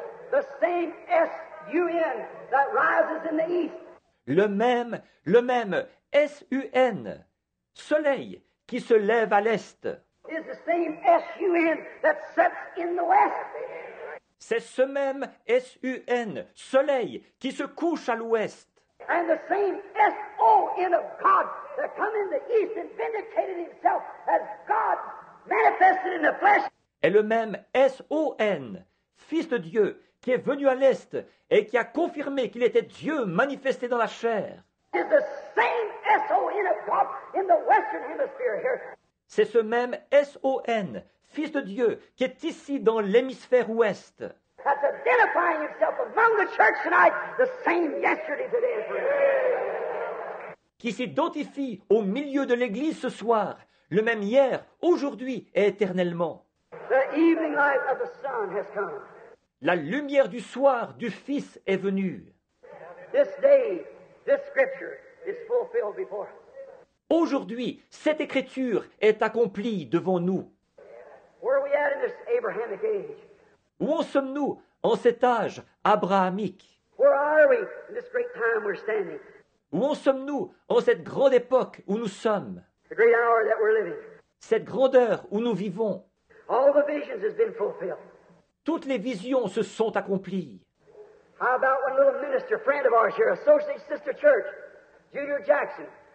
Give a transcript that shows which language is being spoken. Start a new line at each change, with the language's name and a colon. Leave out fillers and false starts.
English: The same S-U-N that rises in the east.
French: Le même S-U-N, soleil, qui se lève à l'est.
English: Is the same S-U-N that sets in the west.
French: C'est ce même S-U-N, soleil, qui se couche à l'ouest.
English: And the same S-O-N of God that come in the east and vindicated himself as God manifested in the flesh.
French: Et le même S-O-N, fils de Dieu, qui est venu à l'est et qui a confirmé qu'il était Dieu manifesté dans la chair.
English: Is the same S-O-N of God in the western hemisphere here.
French: C'est ce même S-O-N, fils de Dieu, qui est ici dans l'hémisphère ouest.
English: That's identifying himself among the church tonight, the same yesterday, today, and forever.
French: Qui s'identifie au milieu de l'église ce soir, le même hier, aujourd'hui et éternellement.
English: The evening light of the sun has come.
French: La lumière du soir du Fils est venue.
English: This day, this scripture is fulfilled before us.
French: Aujourd'hui, cette écriture est accomplie devant nous.
English: Where are we at in this Abrahamic age?
French: Où en sommes-nous en cet âge abrahamique?
English: Where are we in this great time we're standing?
French: Où en sommes-nous en cette grande époque où nous sommes?
English: The great hour that we're living.
French: Cette grande heure où nous vivons.
English: All the visions have been fulfilled.
French: Toutes les visions se sont accomplies.
English: How about one little minister, friend of ours here, Associate Sister Church, Junior Jackson?